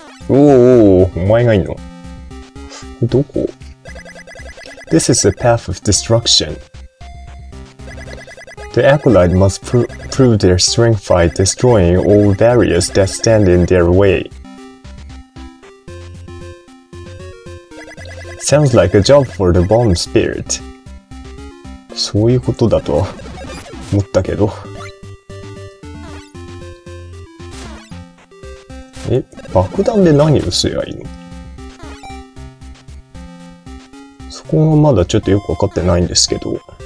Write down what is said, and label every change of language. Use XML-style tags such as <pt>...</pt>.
<ja>おーおーおー、お前がいんの？どこ？</ja> <en>This is a path of destruction. The acolyte must prove their strength by destroying all barriers that stand in their way. Sounds like a job for the bomb spirit.</en> <ja>そういうことだと思ったけど。え、爆弾で何をすればいいの？そこはまだちょっとよく分かってないんですけど。</ja>